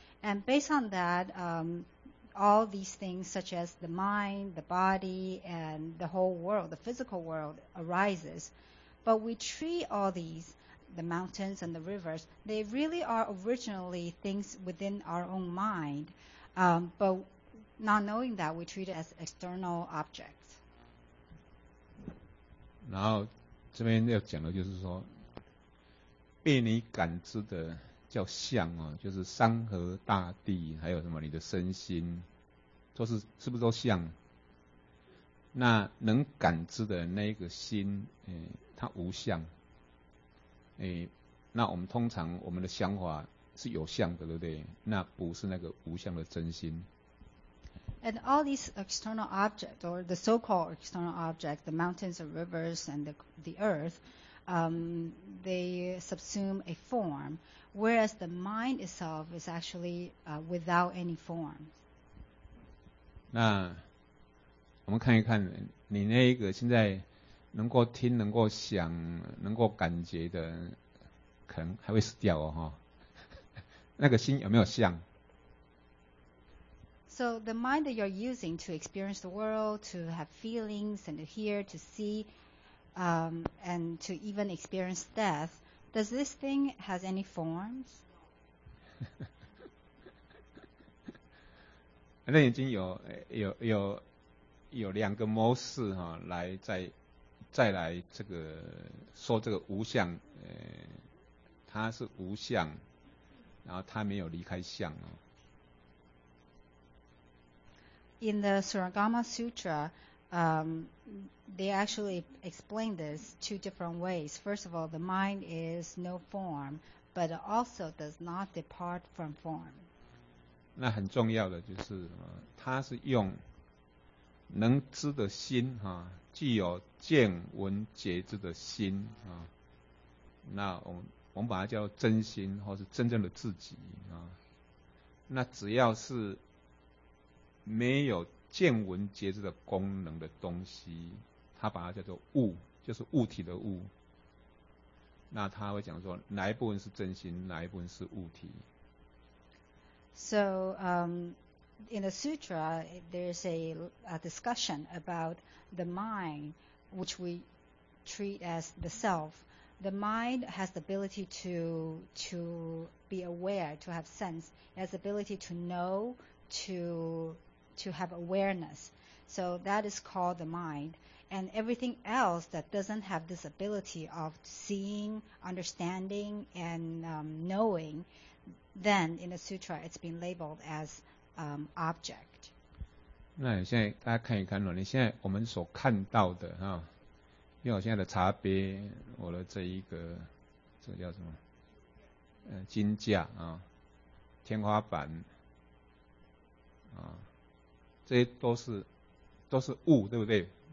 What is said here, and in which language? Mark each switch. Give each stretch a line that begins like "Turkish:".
English: And based on that, all these things such as the mind, the body, and the whole world, the physical world, arises. But we treat all these, the mountains and the rivers, they really are originally things within our own mind, but not knowing that, we treat it as external objects.
Chinese: 然后这边要讲的就是说，被你感知的叫相啊，就是山河大地，还有什么你的身心，都是，是不是都相？那能感知的那个心，它无相。那我们通常我们的想法是有相的，对不对？那不是那个无相的真心。
English: And all these external objects, or the so-called external objects, the mountains, the rivers, and the earth, they subsume a form, whereas the mind itself is actually without any form.
Chinese: 那我们看一看你那个现在能够听、能够想、能够感觉的，可能还会死掉哦，哈。那个心有没有相
English: ？So the mind that you're using to experience the world, to have feelings and to hear, to see, and to even experience death, does this thing has any forms？
Chinese: 反正已经有两个模式哈，来再来这个说这个无相，它是无相，然后它没有离开相哦。
English: In the Suragama Sutra, they actually explain this two different ways. First of all, the mind is no form, but also does not depart from form.
Chinese: 那很重要的就是，它是用能知的心哈。既有见闻觉知的心啊，那我们把它叫真心，或是真正的自己啊。那只要是没有见闻觉知的功能的东西，它把它叫做物，就是物体的物。那他会讲说，哪一部分是真心，哪一部分是物体
English: ？So, in the sutra, there's a discussion about the mind, which we treat as the self. The mind has the ability to be aware, to have sense. It has the ability to know, to have awareness. So that is called the mind. And everything else that doesn't have this ability of seeing, understanding, and knowing, then in the sutra, it's been labeled asobject.
Chinese: 那你现在大家看一看，你现在我们所看到的哈，因为我现在的茶杯，我的这一个，这个叫什么？金架啊，天花板啊，这些都是物，对不对？